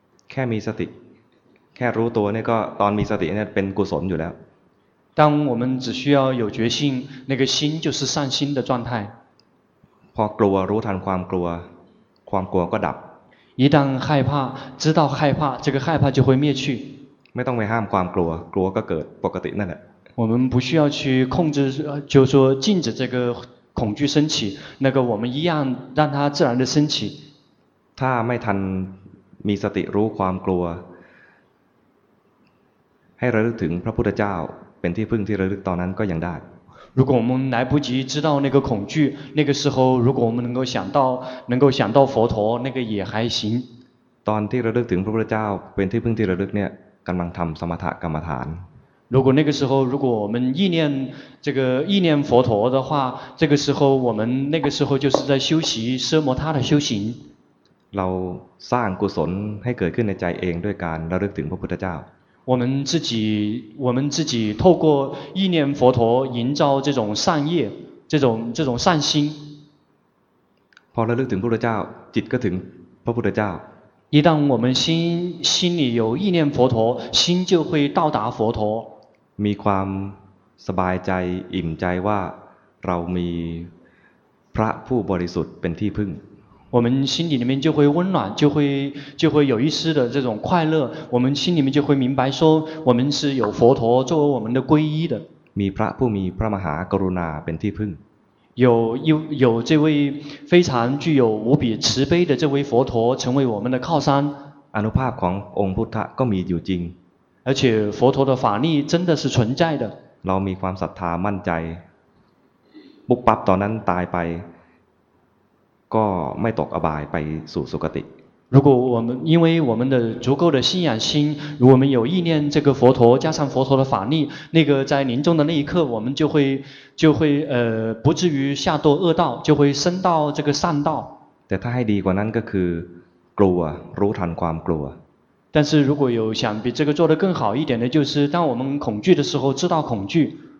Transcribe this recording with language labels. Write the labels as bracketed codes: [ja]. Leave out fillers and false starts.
[th] แค่มีสติแค่รู้ตัวนี่ก็ตอนมีสติเนี่ยเป็นกุศลอยู่แล้ว [zh] 当我们只需要有决心那个心就是善心的状态 [th] พอกลัวรู้ทันความกลัวความกลัวก็ดับ [zh] 一旦害怕知道害怕这个害怕就会灭去 [th] ไม่ต้องไปห้ามความกลัวกลัวก็เกิดปกตินั่นแหละ [zh] 我们不需要去控制就是说禁止这个恐惧升起那个我们一样让它自然的升起 [th] ถ้าไม่ทันมีสติรู้ความกลัวให้ระลึกถึงพระพุทธเจ้าเป็นที่พึ่งที่ระลึกตอนนั้นก็ยังได้ [zh] 如果我们来不及知道那个恐惧那个时候如果我们能够想到佛陀那个也还行 [th] ตอนที่ระลึกถึงพระพุทธเจ้าเป็นที่พึ่งที่ระลึกเนี่ยกำลังทำสมถกรรมฐาน [zh] 如果那个时候如果我们意念这个意念佛陀的话这个时候我们那个时候就是在修习奢摩他的修行 [th] เราสร้างกุศลให้เกิดขึ้นในใจเองด้วยการระลึกถึงพระพุทธเจ้า [zh] 我们自己透过意念佛陀营造这种善业这种善心 [th] พอระลึกถึงพระพุทธเจ้าจิตก็ถึงพระพุทธเจ้า [zh] 一旦我们心里有意念佛陀心就会到达佛陀 [th] มีความสบายใจอิ่มใจว่าเรามีพระผู้บริสุทธิ์เป็นที่พึ่ง [zh] 我们心里面就会温暖就会有一丝的这种快乐我们心里面就会明白说我们是有佛陀作为我们的皈依的 [th] มีพระผู้มีพระมหากรุณาเป็นที่พึ่ง [zh] 有这位非常具有无比慈悲的这位佛陀成为我们的靠山 [th] อนุภาพขององค์พุทธะก็มีอยู่จริง [zh] 而且佛陀的法力真的是存在的 [th] เรามีความศรัทธามั่นใจปุ๊บปั๊บตอนนั้นตายไปก็ไม่ตกอบายไปสู่สุคติ [zh] 如果我们因为我们的足够的信仰心如果我们有意念这个佛陀加上佛陀的法力那个在临终的那一刻我们就会不至于下堕恶道就会升到这个善道 [th] แต่ถ้าให้ดีกว่านั้นก็คือกลัวรู้ทันความกลัว [zh] 但是如果有想比这个做得更好一点的就是当我们恐惧的时候知道恐惧